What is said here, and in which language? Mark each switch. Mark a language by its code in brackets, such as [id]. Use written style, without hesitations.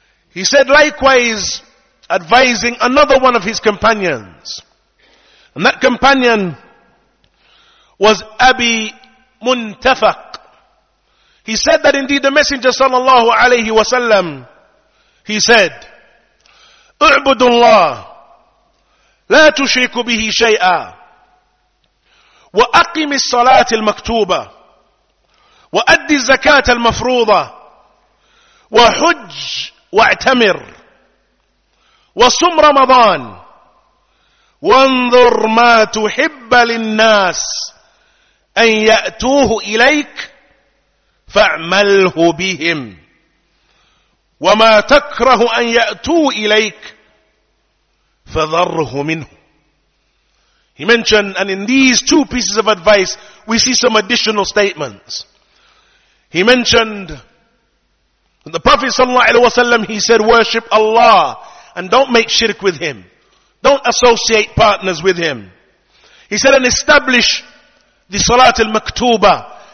[en] He said, likewise, advising another one of his companions. And that companion was Abi Muntafaq. He said that indeed the Messenger sallallahu alayhi wa sallam, he said, [ar] اعبد الله لا تشرك به شيئا، وأقم الصلاة المكتوبة، وأدي الزكاة المفروضة، وحج واعتمر، وصم رمضان، وانظر ما تحب للناس أن يأتوه إليك فاعمله بهم، وما تكره أن يأتوا إليك فذره منه. [en] He mentioned, and in these two pieces of advice, we see some additional statements. He mentioned that the Prophet sallallahu alaihi wasallam, he said, worship Allah and don't make shirk with him. Don't associate partners with him. He said, and establish the salat al-maktuba.